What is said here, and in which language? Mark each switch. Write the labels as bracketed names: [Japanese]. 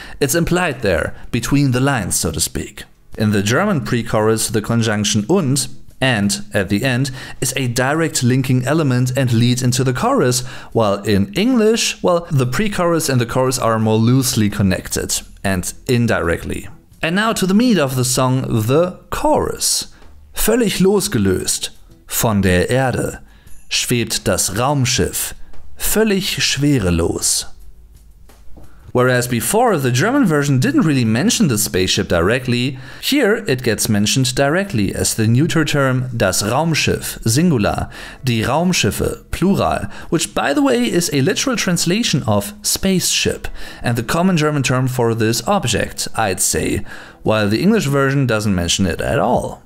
[English] It's implied there, between the lines, so to speak. In the German pre-chorus, the conjunction und and at the end is a direct linking element and leads into the chorus, while in English, well, the pre-chorus and the chorus are more loosely connected and indirectly. And now to the meat of the song, the chorus. [German] Völlig losgelöst von der Erde schwebt das Raumschiff völlig schwerelos. [English] Whereas before, the German version didn't really mention the spaceship directly, here it gets mentioned directly as the neuter term das Raumschiff, singular, die Raumschiffe, plural, which by the way is a literal translation of spaceship, and the common German term for this object, I'd say, while the English version doesn't mention it at all.